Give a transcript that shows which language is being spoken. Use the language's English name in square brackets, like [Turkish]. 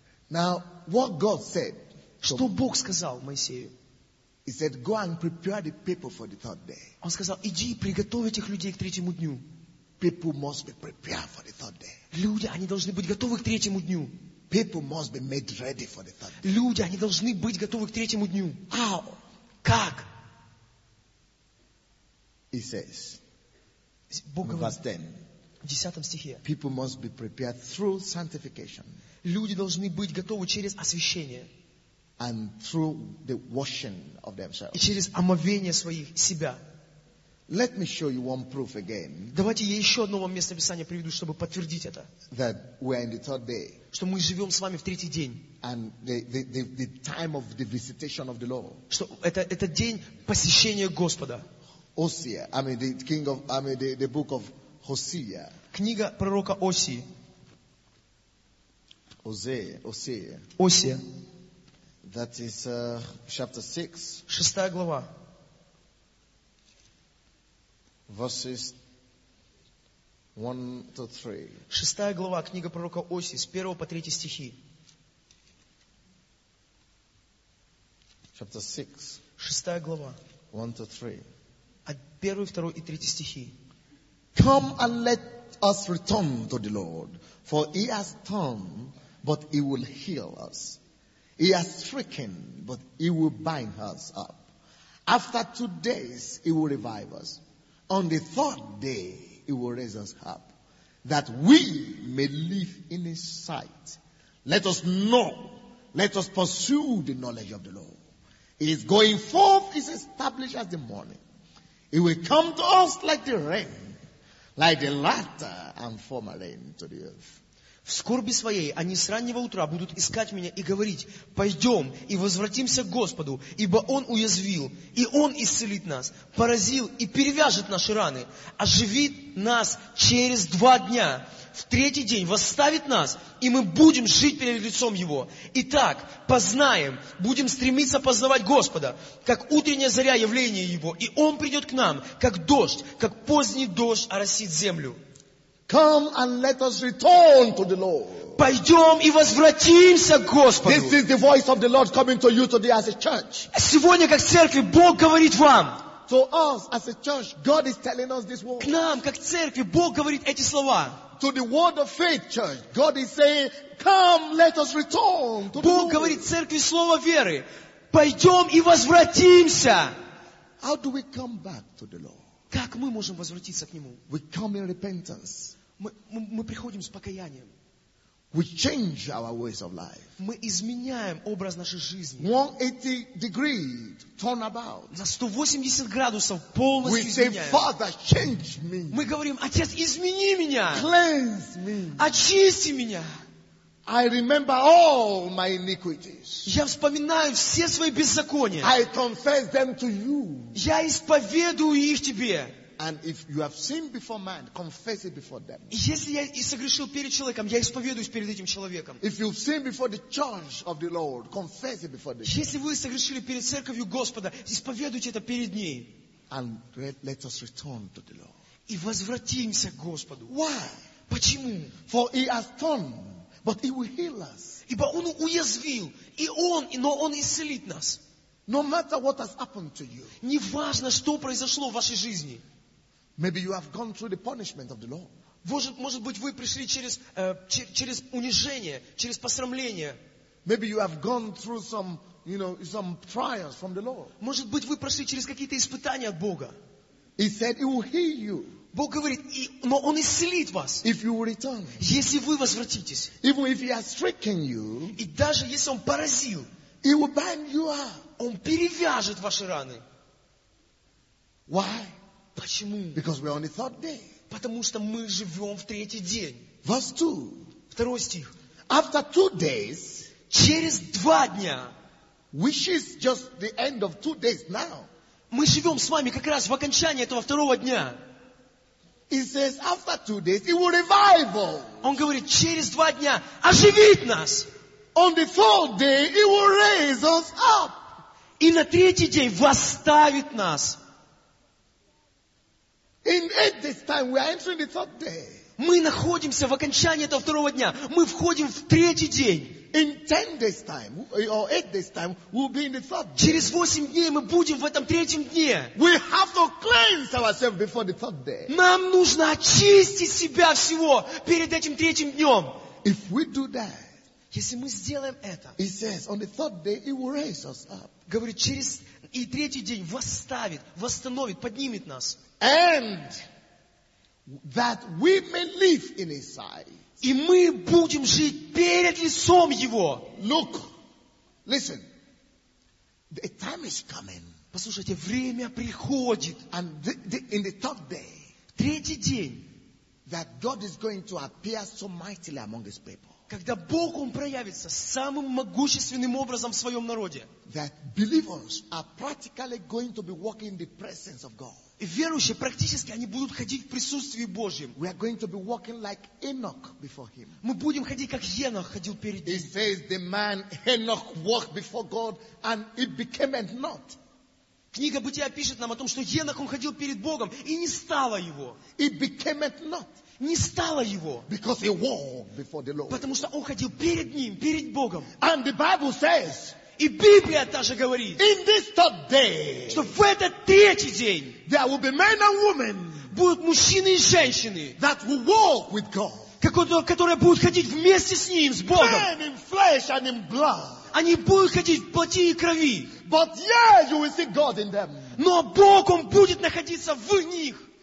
[English] Now, what God said, [Russian] что Бог сказал Моисею? [English] He said, go and prepare the people for the third day. [Russian] Он сказал, иди и приготовь этих людей к третьему дню. [English] People must be prepared for the third day. [Russian] Люди, они должны быть готовы к третьему дню. [English] People must be made ready for the third day. [Russian] Люди, они должны быть готовы к третьему дню. [English] How? [Russian] Как? [English] He says, [Russian] Бог говорит, [English] verse 10, [Russian] в 10 стихе, [English] people must be prepared through sanctification. [Russian] Люди должны быть готовы через освящение. [English] And through the washing of themselves. [Russian] И через омовение своих себя. [English] Let me show you one proof again. [Russian] Давайте я еще одно вам место писания приведу, чтобы подтвердить это. [English] That we are in the third day. [Russian] Что мы живем с вами в третий день. [English] And the time of the visitation of the Lord. [Russian] Что это день посещения Господа. [English] Hosea, I mean the king of, I mean the book of Hosea. [Russian] Книга пророка Оси. [English] Hosea. That is chapter 6. [Russian] Шестая глава. [English] Verses 1-3. [Russian] Шестая глава, книга пророка Оси, с 1 по 3 стихи. [English] Chapter 6. [Russian] Шестая глава. [English] 1-3. [Russian] Первый, второй и третий стихи. [English] Come and let us return to the Lord, for he has torn, but he will heal us. He has stricken, but he will bind us up. After 2 days, he will revive us. On the third day, he will raise us up, that we may live in his sight. Let us know, let us pursue the knowledge of the Lord. He is going forth, is established as the morning. He will come to us like the rain, like the latter and former rain to the earth. [Russian] В скорби своей они с раннего утра будут искать меня и говорить: «Пойдем и возвратимся к Господу, ибо Он уязвил, и Он исцелит нас, поразил и перевяжет наши раны, оживит нас через 2 дня, в 3-й день восставит нас, и мы будем жить перед лицом Его. Итак, познаем, будем стремиться познавать Господа, как утренняя заря явление Его, и Он придет к нам, как дождь, как поздний дождь оросит землю». [English] Come and let us return to the Lord. [Russian] Пойдем и возвратимся к Господу. [English] This is the voice of the Lord coming to you today as a church. [Russian] Сегодня как церкви Бог говорит вам. [English] To us as a church, God is telling us this word. [Russian] К нам как церкви Бог говорит эти слова. [English] To the word of faith church, God is saying, come, let us return to the Lord. [Russian] Бог говорит церкви слово веры. Пойдем и возвратимся. [English] How do we come back to the Lord? [Russian] Как мы можем возвратиться к Нему? [English] We come in repentance. [Russian] Мы приходим с покаянием. [English] We change our ways of life. [Russian] Мы изменяем образ нашей жизни. [English] 180 degrees, turn about. [Russian] На 180 градусов полностью изменяем. [English] We say, Father, change me. [Russian] Мы говорим: Отец, измени меня. [English] Cleanse me. [Russian] Очисти меня. [English] I remember all my iniquities. [Russian] Я вспоминаю все свои беззакония. [English] I confess them to you. [Russian] Я исповедую их тебе. [English] And if you have sinned before man, confess it before them. [Russian] Если я и согрешил перед человеком, я исповедуюсь перед этим человеком. [English] If you've sinned before the church of the Lord, confess it before the church. [Russian] Если вы согрешили перед церковью Господа, исповедуйте это перед ней. [English] And let us return to the Lord. [Russian] И возвратимся к Господу. [English] Why? [Russian] Почему? [English] For he has torn, but he will heal us. [Russian] Ибо он уязвил, и он, но он исцелит нас. [English] No matter what has happened to you. [Russian] Не важно, что произошло в вашей жизни. [English] Maybe you have gone through the punishment of the law. [Russian] Может быть, вы пришли через унижение, через посрамление. [English] Maybe you have gone through some, you know, some trials from the law. [Russian] Может быть, вы прошли через какие-то испытания от Бога. [English] He said he will heal you. [Russian] Бог говорит, но Он исцелит вас, [English] if you will return. [Russian] Если вы возвратитесь. [English] Even if he has stricken you, [Russian] и даже если Он поразил, [English] he will bind you up. [Russian] Он перевяжет ваши раны. [English] Why? [Russian] Почему? [English] Because we are on the third day. [Russian] Потому что мы живем в 3-й день. [English] Verse 2. [Russian] Второй стих. [English] After 2 days, [Russian] через 2 дня, [English] which is just the end of 2 days now, [Russian] мы живем с вами как раз в окончании этого второго дня. [English] He says, after 2 days, he will revive us. [Russian] Он говорит, через 2 дня оживит нас. [English] On the fourth day, he will raise us up. [Russian] И на 3-й день восставит нас. [English] In 8 days time, we are entering the third day. [Russian] Мы находимся в окончании этого второго дня. Мы входим в 3-й день. [English] In 10 days time, or 8 days time, we'll be in the third day. [Russian] Через 8 дней мы будем в этом 3-м дне. [English] We have to cleanse ourselves before the third day. [Russian] Нам нужно очистить себя всего перед этим 3-м днем. [English] If we do that, [Russian] если мы сделаем это, [English] he says, on the third day, he will raise us up. [Russian] Говорит, через и 3-й день восставит, восстановит, поднимет нас. [English] And that we may live in his sight. [Russian] И мы будем жить перед лицом Его. [English] Look, listen, the time is coming. [Russian] Послушайте, время приходит. [English] And in the third day, [Russian] 3-й день, [English] that God is going to appear so mightily among his people. [Russian] Когда Бог, Он проявится самым могущественным образом в своем народе. [English] That believers are practically going to be walking in the presence of God. [Russian] И верующие практически они будут ходить в присутствии Божьем. [English] We are going to be walking like Enoch before him. [Russian] Мы будем ходить, как Енох ходил перед ним. [English] He says the man Enoch walked before God and it became a knot. [Russian] Книга Бытия пишет нам о том, что Енох, он ходил перед Богом и не стало его. [English] It became a knot. [Russian] Не стало его. [English] Because he walked before the Lord. [Russian] Потому что он ходил перед ним, перед Богом. [English] And the Bible says, [Russian] И Библия также говорит, [English] in this third day, [Russian] что в этот третий день [English] there will be men and women, [Russian] будут мужчины и женщины, [English] that will walk with God. [Russian] Которые будут ходить вместе с Ним, с Богом. [English] Men in flesh and in blood. [Russian] Они будут ходить в плоти и крови. [English] But yeah, you will see God in them. [Russian] Но Бог, Он будет находиться в них.